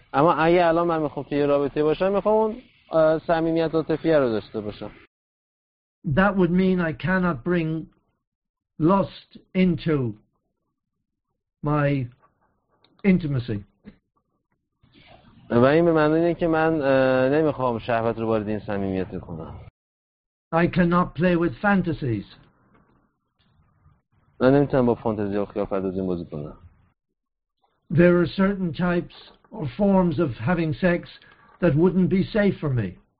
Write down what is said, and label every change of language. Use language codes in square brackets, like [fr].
[fa] اما اگه الان من میخوام توی رابطه باشم, میخوام اون صمیمیت عاطفی رو داشته باشم. [en] That would mean I cannot bring lust into my intimacy. [fa] و این به معنی اینه که من نمیخوام شهوت رو وارد این صمیمیت کنم. [en] I cannot play with fantasies. [fa] من نمیتونم با فانتزی و خیال پردازی بازی کنم. [en] There are certain types or forms of having sex that wouldn't be safe for me.